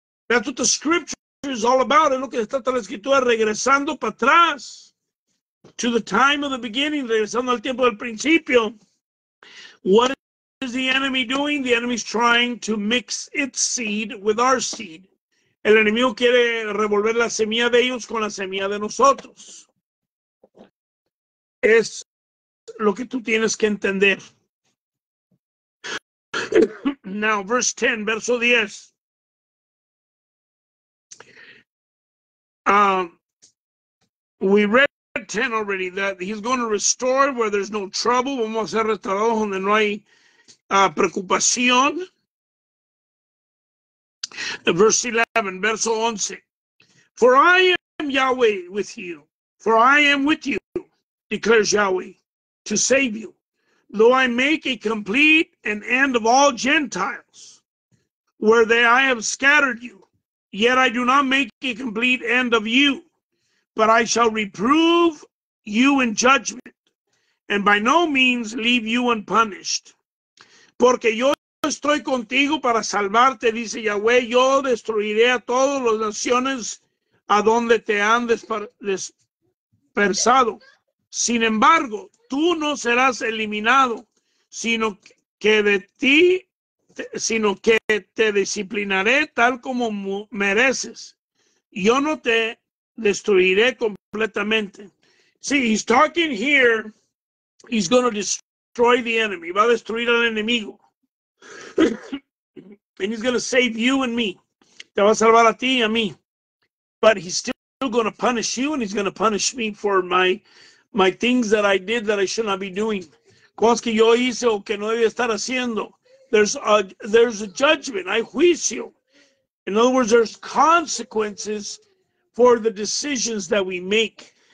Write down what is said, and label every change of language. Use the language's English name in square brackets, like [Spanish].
[English] That's what the scripture is all about. [Spanish] Es lo que está toda la escritura regresando para atrás. [English] To the time of the beginning, [Spanish] regresando al tiempo del principio. [English] What is the enemy doing? The enemy is trying to mix its seed with our seed. [Spanish] El enemigo quiere revolver la semilla de ellos con la semilla de nosotros. Es lo que tú tienes que entender. [English] Now, verse 10, verso 10. We read 10 already that he's going to restore where there's no trouble. [Spanish] Vamos a ser restaurados donde no hay preocupación. [English] Verse 11. For I am Yahweh with you. For I am with you, declares Yahweh, to save you. Though I make a complete an end of all Gentiles, where they I have scattered you, yet I do not make a complete end of you, but I shall reprove you in judgment, and by no means leave you unpunished. [Spanish] Porque yo estoy contigo para salvarte, dice Yahweh, yo destruiré a todas las naciones a donde te han dispersado. Sin embargo, tú no serás eliminado, sino que de ti, sino que te disciplinaré tal como mereces. Yo no te destruiré completamente. [English] See, he's talking here, he's going to destroy the enemy. [Spanish] Va a destruir al enemigo. [English] And he's going to save you and me. [Spanish] Te va a salvar a ti y a mí. [English] But he's still going to punish you and he's going to punish me for my things that I did that I should not be doing. [Spanish] Cosas que yo hice o que no debía estar haciendo. [English] There's a judgment. [Spanish] Hay juicio. [English] In other words, there's consequences for the decisions that we make.